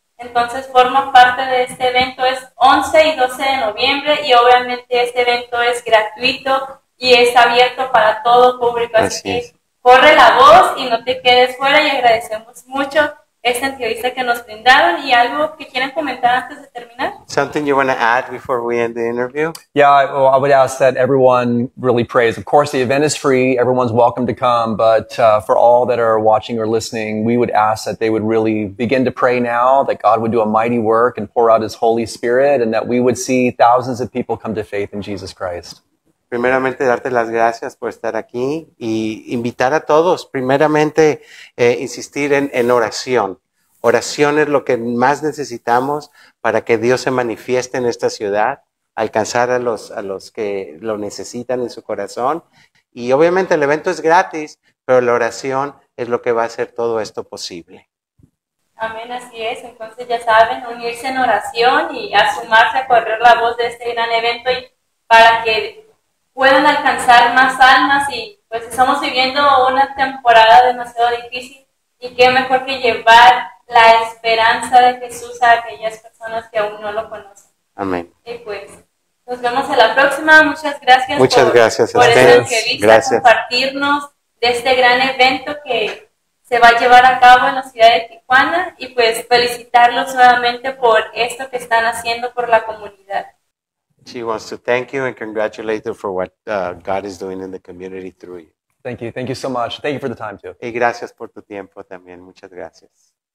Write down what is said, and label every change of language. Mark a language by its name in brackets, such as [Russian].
[Spanish] Entonces, forma parte de este evento, es 11 y 12 de noviembre, y obviamente este evento es gratuito y es abierto para todo público. Así es. Corre la voz y no te quedes fuera, y agradecemos mucho esta entrevista que nos brindaron. ¿Y algo que quieran comentar antes de terminar? [English] Something you want to add before we end the interview? Yeah, well, I would ask that everyone really prays. Of course, the event is free. Everyone's welcome to come. But for all that are watching or listening, we would ask that they would really begin to pray now, that God would do a mighty work and pour out His Holy Spirit, and that we would see thousands of people come to faith in Jesus Christ. [Spanish] Primeramente, darte las gracias por estar aquí y invitar a todos. Primeramente, insistir en oración. Oración es lo que más necesitamos para que Dios se manifieste en esta ciudad, alcanzar a los que lo necesitan en su corazón. Y obviamente el evento es gratis, pero la oración es lo que va a hacer todo esto posible. Amén, así es. Entonces ya saben, unirse en oración y a sumarse a correr la voz de este gran evento y para que puedan alcanzar más almas. Y pues estamos viviendo una temporada demasiado difícil, y qué mejor que llevar la esperanza de Jesús a aquellas personas que aún no lo conocen. Amén. Y pues, nos vemos en la próxima. Muchas gracias. Muchas gracias. Por esta entrevista, compartirnos de este gran evento que se va a llevar a cabo en la ciudad de Tijuana. Y pues, felicitarlos nuevamente por esto que están haciendo por la comunidad. [English] She wants to thank you and congratulate you for what God is doing in the community through you. Thank you. Thank you so much. Thank you for the time, too. [Spanish] Y gracias por tu tiempo también. Muchas gracias.